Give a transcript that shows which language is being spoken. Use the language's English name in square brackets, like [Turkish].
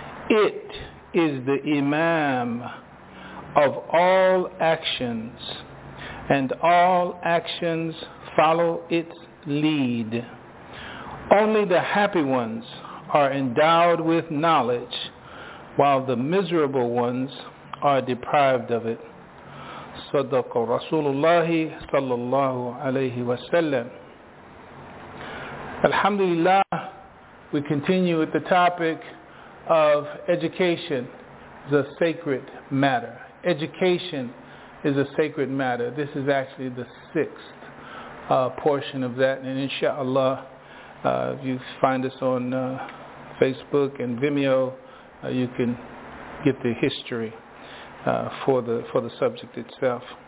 [English] It is the imam of all actions, and all actions follow its lead. Only the happy ones are endowed with knowledge, while the miserable ones are deprived of it. [Arabic] صدق رسول الله صلى الله عليه وسلم. [English] Alhamdulillah, we continue with the topic of education is a sacred matter. Education is a sacred matter. This is actually the sixth portion of that. And inshallah, if you find us on Facebook and Vimeo, you can get the history for the subject itself.